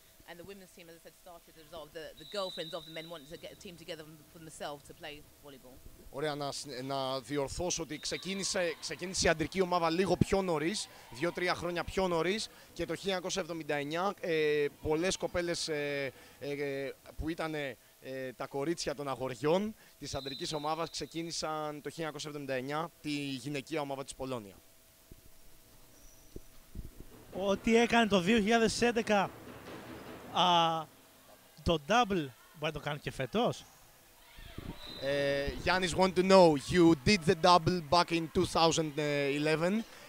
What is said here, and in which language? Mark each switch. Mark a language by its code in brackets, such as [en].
[en] And the women's team, as I said, started as well. The girlfriends of the men wanted to get a team together for themselves to play volleyball. [el] Ωραία, να διορθώσω ότι ξεκίνησε η αντρική ομάδα λίγο πιο νωρίς, 2-3 χρόνια πιο νωρίς, και το 1979 πολλές κοπέλες που ήταν τα κορίτσια των αγοριών της αντρικής ομάδας ξεκίνησαν το 1979 τη γυναικεία ομάδα της Πολώνια. Ό,τι έκανε το 2011... το double, μπορεί να το κάνει και φέτος. [en] Giannis wanted to know, you did the double back in 2011.